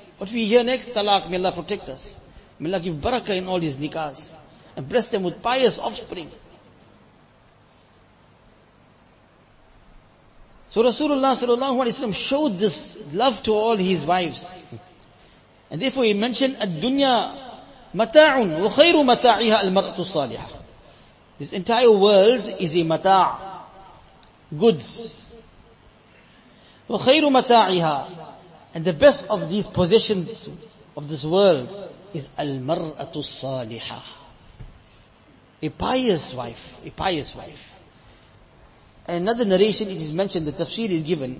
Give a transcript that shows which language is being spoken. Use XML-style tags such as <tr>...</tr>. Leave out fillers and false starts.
<en>What we hear next, talaq, may Allah protect us. May Allah give barakah in all his nikahs, and bless them with pious offspring. So Rasulullah sallallahu alayhi wa sallam showed this love to all his wives.</en> <ar>And therefore he mentioned, الدُّنْيَا مَتَاعٌ وَخَيْرُ مَتَاعِهَا الْمَرْأَةُ الصَّالِحَةِ.</ar> <en>This entire world is a mata', goods.</en> <ar>وَخَيْرُ مَتَاعِهَا.</ar> <en>And the best of these possessions of this world is</en> <ar>الْمَرْأَةُ الصَّالِحَةِ.</ar> <en>A pious wife. Another narration, it is mentioned, the tafsir is given.</en>